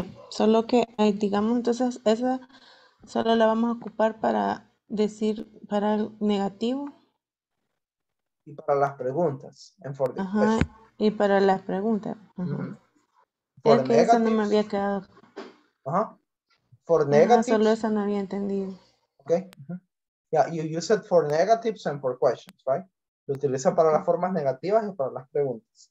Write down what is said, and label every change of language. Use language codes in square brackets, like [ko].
[es] Solo que, digamos, entonces, esa solo la vamos a ocupar para decir, para el negativo. Y para las preguntas. [en] And for the [es] ajá, y para las preguntas. Mm-hmm. Es que negatives. Eso no me había quedado. [en] Uh-huh. For negatives. [es] Solo esa no había entendido. [en] Okay. Uh-huh. Yeah, you use it for negatives and for questions, right? [es] Lo utiliza para las formas negativas y para las preguntas.